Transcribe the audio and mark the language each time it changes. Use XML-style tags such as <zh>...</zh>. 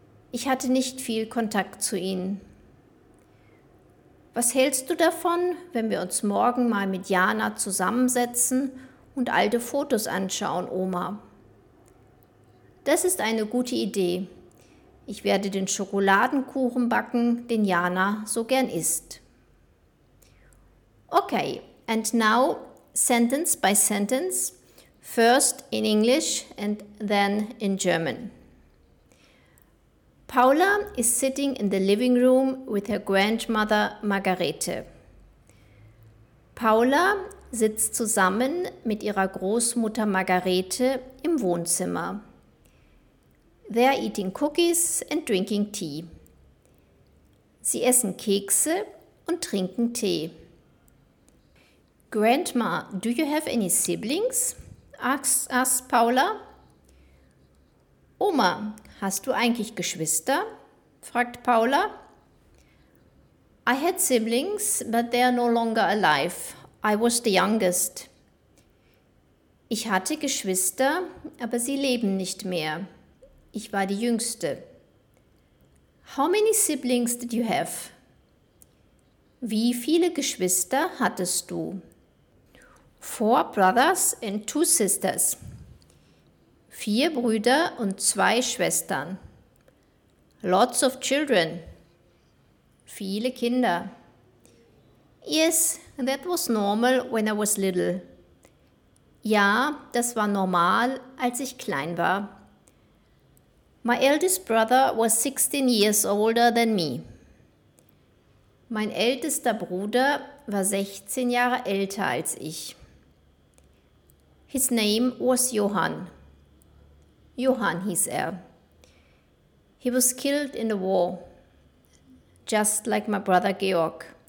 <de>Ich hatte nicht viel Kontakt zu ihnen. Was hältst du davon, wenn wir uns morgen mal mit Jana zusammensetzen und alte Fotos anschauen, Oma? Das ist eine gute Idee. Ich werde den Schokoladenkuchen backen, den Jana so gern isst.</de> <en>Okay, and now sentence by sentence, first in English and then in German. Paula is sitting in the living room with her grandmother Margarete.</en> <de>Paula sitzt zusammen mit ihrer Großmutter Margarete im Wohnzimmer.</de> <en>They are eating cookies and drinking tea.</en> <de>Sie essen Kekse und trinken Tee.</de> <en>Grandma, do you have any siblings? asks Paula.</en> <de>Oma, hast du eigentlich Geschwister? Fragt Paula.</de> <en>I had siblings, but they are no longer alive. I was the youngest.</en> <de>Ich hatte Geschwister, aber sie leben nicht mehr. Ich war die Jüngste.</de> <en>How many siblings did you have?</en> <de>Wie viele Geschwister hattest du?</de> <en>4 brothers and 2 sisters.</en> <de>4 Brüder und 2 Schwestern.</de> <en>Lots of children.</en> <de>Viele Kinder.</de> <en>Yes, that was normal when I was little.</en> <de>Ja, das war normal, als ich klein war.</de> <en>My eldest brother was 16 years older than me.</en> <de>Mein ältester Bruder war 16 Jahre älter als ich.</de> <en>His name was Johann.</en> <de>Johann hieß er.</de> <en>He was killed in the war, just like my brother Georg.</en>